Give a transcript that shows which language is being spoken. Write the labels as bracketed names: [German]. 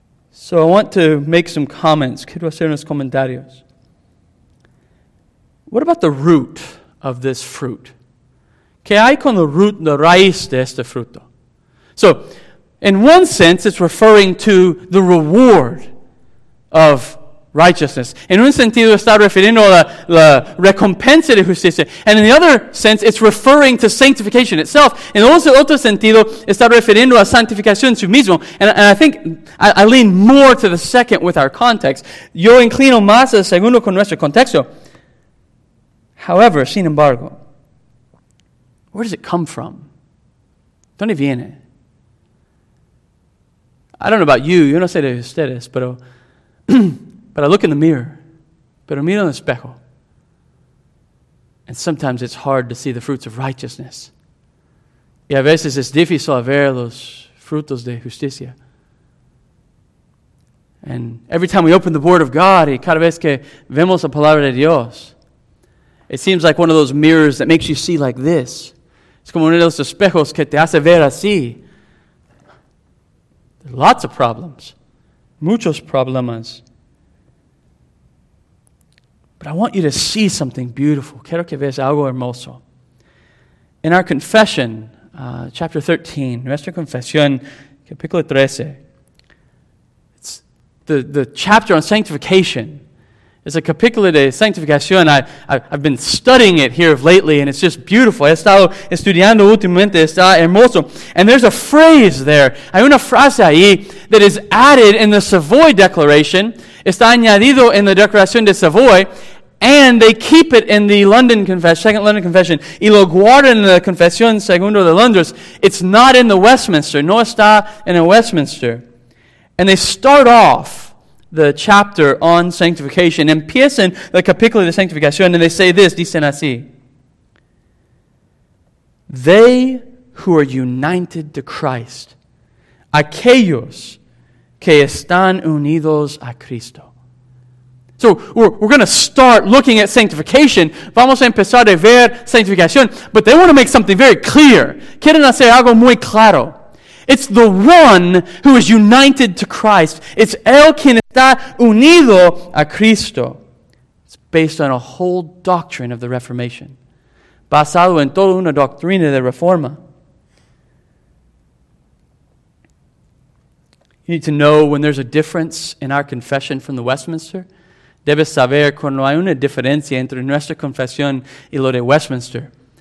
[English] So, I want to make some comments. [Spanish] Quiero hacer unos comentarios. [English] What about the root of this fruit? [Spanish] ¿Qué hay con la root, la raíz de este fruto? [English] So, in one sense, it's referring to the reward of righteousness. [Spanish] En un sentido, está refiriendo a la recompensa de justicia. [English] And in the other sense, it's referring to sanctification itself. [Spanish] En otro sentido, está refiriendo a santificación su mismo. [English] And I think I lean more to the second with our context. [Spanish] Yo inclino más al segundo con nuestro contexto. [English] However, [Spanish] sin embargo, [English] where does it come from? [Spanish] ¿Dónde viene? [English] I don't know about you, [Spanish] yo no sé de ustedes, pero [English] but I look in the mirror, [Spanish] pero miro en el espejo, [English] and sometimes it's hard to see the fruits of righteousness. [Spanish] Y a veces es difícil ver los frutos de justicia. [English] And every time we open the Word of God, [Spanish] y cada vez que vemos la Palabra de Dios, [English] It seems like one of those mirrors that makes you see like this. [Spanish] Es como uno de los espejos que te hace ver así. [English] Lots of problems. [Spanish] Muchos problemas. [English] But I want you to see something beautiful. [Spanish] Quiero que veas algo hermoso. [English] In our confession, chapter 13, [Spanish] nuestra confesión, capítulo 13, [English] it's the chapter on sanctification. It's a [Spanish] capítulo de sanctificación. [English] I've been studying it here lately, and it's just beautiful. [Spanish] He estado estudiando últimamente. Está hermoso. [English] And there's a phrase there. [Spanish] Hay una frase ahí [English] that is added in the Savoy Declaration. [Spanish] Está añadido en la Declaración de Savoy. [English] And they keep it in the London Confession, Second London Confession. [Spanish] Y lo guardan en la Confesión Segundo de Londres. [English] It's not in the Westminster. [Spanish] No está en el Westminster. [English] And they start off the chapter on sanctification. [Spanish] Empiezan el capítulo de sanctificación. [English] And they say this, [Spanish] dicen así. [English] They who are united to Christ. [Spanish] Aquellos que están unidos a Cristo. [English] So we're going to start looking at sanctification. [Spanish] Vamos a empezar a ver sanctificación. [English] But they want to make something very clear. [Spanish] Quieren hacer algo muy claro. [English] It's the one who is united to Christ. It's [Spanish] el quien está unido a Cristo. [English] It's based on a whole doctrine of the Reformation. [Spanish] Basado en toda una doctrina de Reforma. [English] You need to know when there's a difference in our confession from the Westminster. [Spanish] Debes saber cuando hay una diferencia entre nuestra confesión y lo de Westminster.